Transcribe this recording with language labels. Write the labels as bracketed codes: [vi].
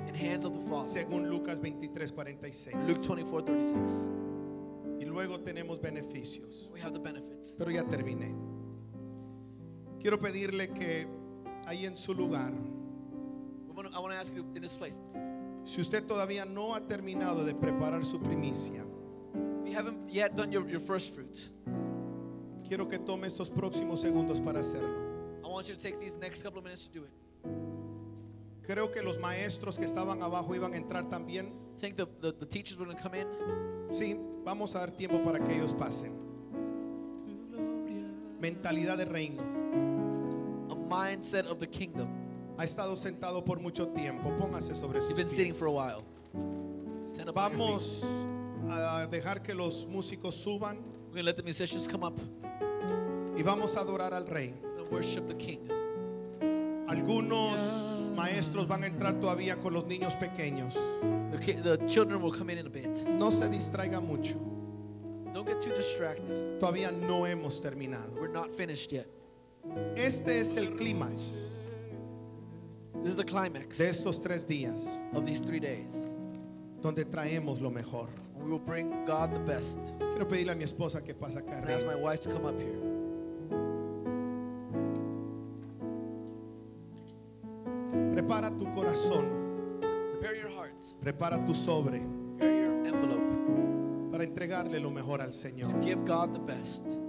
[en] In hands of the Father. [es] Según Lucas 23:46. [en] Luke 24:36. [es] Y luego tenemos beneficios. [en] We have the benefits. [es] Pero ya terminé. Quiero pedirle que ahí en su lugar. [en] I want to ask you in this place. [es] Si usted todavía no ha terminado de preparar su primicia. [en] If you haven't yet done your first fruit. [es] Quiero que tome estos próximos segundos para hacerlo. [en] I want you to take these next couple of minutes to do it. [es] Creo que los maestros que estaban abajo iban a entrar también. [en] Think the teachers were going to come in. [es] Sí, vamos a dar tiempo para que ellos pasen. Mentalidad de reino. [en] A mindset of the kingdom. [es] Ha estado sentado por mucho tiempo. Póngase sobre sus [en] pies. You've been sitting for a while. Stand up. [es] Vamos a dejar que los músicos suban. [en] We're going to let the musicians come up. [es] Y vamos a adorar al rey. [en] We're going to worship the king. [es] Algunos maestros van a entrar todavía con los niños pequeños. [en] The children will come in a bit. [es] No se distraiga mucho. [en] Don't get too distracted. [es] Todavía no hemos terminado. [en] We're not finished yet. [es] Este es el clímax. [en] This is the climax. [es] De estos tres días. [en] Of these 3 days. [es] Donde traemos lo mejor. [en] We will bring God the best. [es] Quiero pedirle a mi esposa que pase acá. [en] And ask my wife to come up here. [es] Prepara tu corazón. [en] Prepare your heart. [es] Prepara tu sobre. [en] Prepare your envelope. [es] Para entregarle lo mejor al Señor. [en] To give God the best.